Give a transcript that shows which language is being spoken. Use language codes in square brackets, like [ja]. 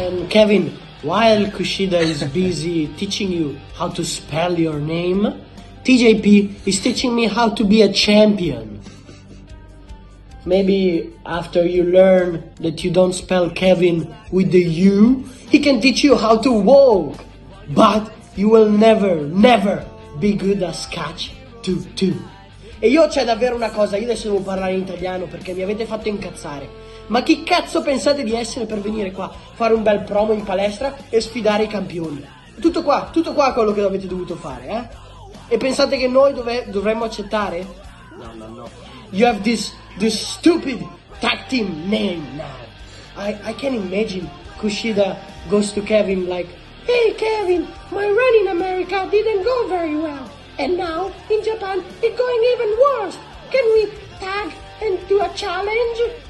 [en] Kevin, while Kushida is busy teaching you how to spell your name, TJP is teaching me how to be a champion. Maybe after you learn that you don't spell Kevin with the U, he can teach you how to walk. But you will never, never be good as catch. [it] E io c'è davvero una cosa, io adesso devo parlare in italiano perché mi avete fatto incazzare. Ma chi cazzo pensate di essere per venire qua, fare un bel promo in palestra e sfidare i campioni? Tutto qua quello che avete dovuto fare, eh? E pensate che noi dovremmo accettare? No, no, no. [en] You have this stupid tag team name now. I can imagine Kushida goes to Kevin like, hey Kevin, my run in America didn't go very well. And now, in Japan, it's going even worse. Can we tag and do a challenge?